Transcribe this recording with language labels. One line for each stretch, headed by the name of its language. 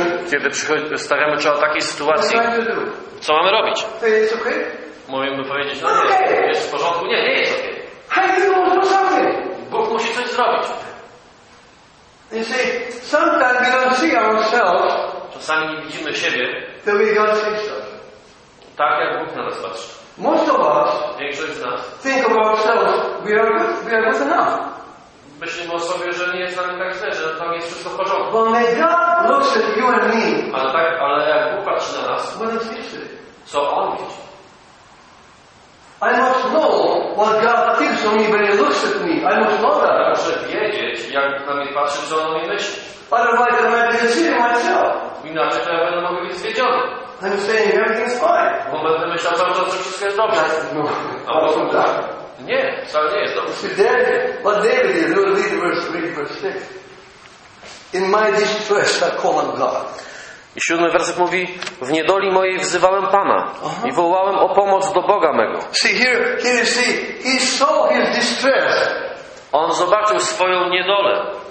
Polish: Kiedy stawiamy czoła takiej sytuacji, co mamy robić? Mówimy powiedzieć, no nie, jest w porządku. Nie, nie jest ok. Bóg musi coś zrobić.
English: You see, sometimes we don't see ourselves.
Polish: Czasami nie widzimy siebie.
English: Till we God sees us.
Polish: Tak jak Bóg na nas patrzy.
English: Most of us.
Polish: Większość z nas.
English: Think of ourselves. We are good enough.
Polish: Myślimy o sobie, że nie jest nam tak źle, że tam jest wszystko w porządku.
English: But when God looks at you and me.
Polish: Ale tak, ale jak Bóg patrzy na nas.
English: What does he see?
Polish: Co on widzi?
English: I must know what God thinks of me when He looks at me. I must know that.
Polish: Ja muszę wiedzieć, jak na mnie patrzy, co on o mnie myśli.
English: Otherwise, I might be deceiving myself.
Polish: Inaczej, to ja będę mógł być zwiedziony.
English: I'm saying everything's fine.
Polish: Bo będę myślał cały czas, że wszystko jest dobrze.
English: No,
Polish: a po prostu tak. Nie, wcale nie jest dobrze.
English: David, what David is, read verse 3, verse 6. In my distress, I call on God.
Polish: I siódmy werset mówi: w niedoli mojej wzywałem Pana i wołałem o pomoc do Boga mego.
English: See, here you see, he saw his distress.
Polish: On zobaczył swoją niedolę.